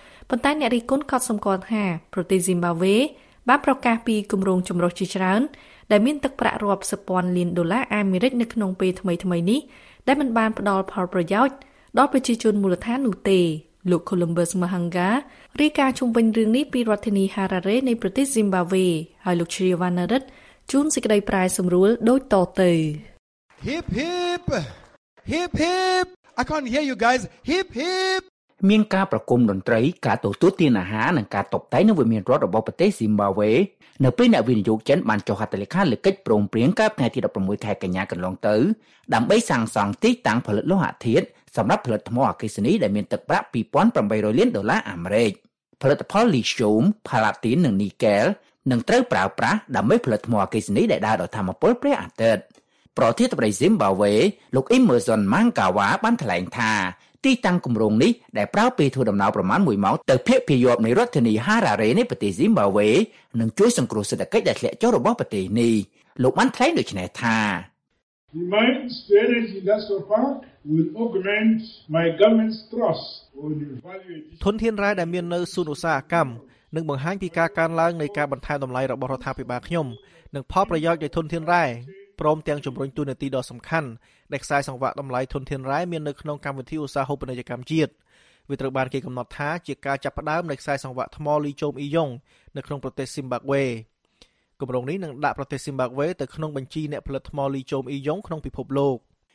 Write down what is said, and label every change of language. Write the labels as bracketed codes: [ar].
[km] ប៉ុន្តែអ្នករីគុណក៏សម្គាល់ថាប្រទេសស៊ីមបាវេបានប្រកាសពីគម្រោងចម្រុះជាច្រើនដែលមានទឹកប្រាក់រាប់សិបពាន់លានដុល្លារអាមេរិកនៅក្នុងពេលថ្មីៗនេះដែលមិនបានផ្ដល់ផលប្រយោជន៍ដល់ប្រជាជនមូលដ្ឋាននោះទេលោក Columbus Mahanga រាយការណ៍ជុំវិញរឿងនេះពីរដ្ឋធានី Harare នៃប្រទេស Zimbabwe ហើយលោក Chriyavanarat ជូនសេចក្តីប្រែសម្រួលដូចតទៅ [en] Hip hip hip hip I can't hear you guys hip hip [km] មានការប្រគំតន្ត្រីការទទួលទានអាហារនិងការតុបតែងនៅវិមានរដ្ឋរបស់ប្រទេស Zimbabweនៅពេលអ្នកវិនិយោគចិនបានចុះហត្ថលេខាលើកិច្ចព្រមព្រៀងកាលថ្ងៃទី16ខែកញ្ញាកន្លងទៅ ដើម្បីសាងសង់ទីតាំងផលិតលោហៈធាតុសម្រាប់ផលិតថ្មអគ្គិសនីដែលមានទឹកប្រាក់2800លានដុល្លារអាមេរិកផលិតផលលីស្យូមផាឡាទីននិងនីកែលនឹងត្រូវប្រើប្រាស់ដើម្បីផលិតថ្មអគ្គិសនីដែលដើរដោយថាមពលព្រះអាទិត្យប្រធានប្រតិភូ Zimbabwe លោក Emerson Mangawa បានថ្លែងថាទីតាំងគម្រោងនេះដែលប្រើពេលធ្វើដំណើរប្រមាណ1ម៉ោងទៅភាគភីយប់នៃរដ្ឋធានី Harare នៃប្រទេស Zimbabwe នឹងជួយសង្គ្រោះសេដ្ឋកិច្ចដែលធ្លាក់ចុះរបស់ប្រទេសនេះលោកបានថ្លែងដូច្នេះថា [en] The mine stated in that report will augment my government's trust on evaluation [km] ធនធានរ៉ែដែលមាននៅសួនឧស្សាហកម្មនឹងបង្ហាញពីការកើនឡើងនៃការបន្ថែមតម្លៃរបស់រដ្ឋាភិបាលខ្ញុំនិងផលប្រយោជន៍នៃធនធានរ៉ែព្រមទាំងជំរុញទូនាទីដ៏សំខាន់ដែលខ្សែសង្វាក់តម្លៃធនធានរ៉ែមាននៅក្នុងកម្មវិធីឧស្សាហកម្មនយកម្មជាតិវាត្រូវបានគេកំណត់ថាជាការចាប់ផ្ដើមនៃខ្សែសង្វាក់ថ្មលីជូមអ៊ីយ៉ុងនៅក្នុងប្រទេស Zimbabwe គម្រោងនេះនឹងដាក់ប្រទេស Zimbabwe ទៅក្នុងបញ្ជីអ្នកផលិតថ្មលីជូមអ៊ីយ៉ុងក្នុងពិភពលោករ